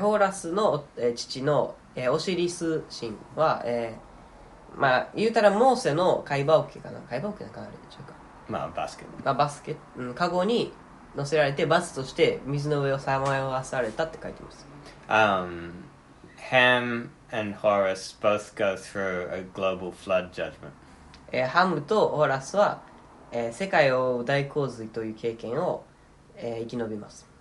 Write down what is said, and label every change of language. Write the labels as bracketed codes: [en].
[ja] ホーラスの父のオシリス神は、まあ言うたらモーセの貝羽桶かな、貝羽桶なんかあるでしょうか。まあバスケ。まあバスケ、うん、カゴに乗せられて罰として水の上をさまよわされたって書いてます。 [en] Ham and Horus both go through a global flood judgment. [ja] ハムとホーラスは、世界を大洪水という経験を、生き延びます。